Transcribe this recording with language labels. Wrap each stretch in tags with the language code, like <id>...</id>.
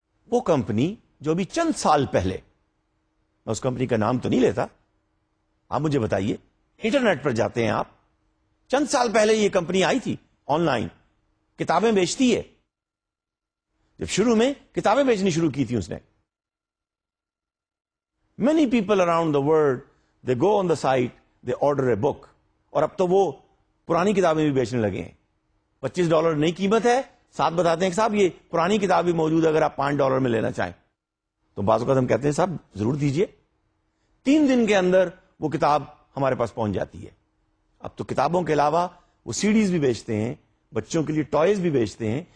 <ur>وہ کمپنی جو ابھی چند سال پہلے, میں اس کمپنی کا نام تو نہیں لیتا, آپ مجھے بتائیے, انٹرنیٹ پر جاتے ہیں آپ, چند سال پہلے یہ کمپنی آئی تھی آن لائن, کتابیں بیچتی ہے. جب شروع میں کتابیں بیچنی شروع کی تھی اس نے.</ur> <en>Many people around the world, they go on the site, they order a book.</en> <ur>اور اب تو وہ پرانی کتابیں بھی بیچنے لگے ہیں. $25 نئی قیمت ہے, ساتھ بتاتے ہیں کہ صاحب یہ پرانی کتاب بھی موجود ہے اگر آپ $5 میں لینا چاہیں. تو بعض اوقات ہم کہتے ہیں صاحب ضرور دیجئے. 3 دن کے اندر وہ کتاب ہمارے پاس پہنچ جاتی ہے. اب تو کتابوں کے علاوہ وہ CDs بھی بیچتے ہیں, بچوں کے لیے ٹوائز بھی بیچتے ہیں.</ur>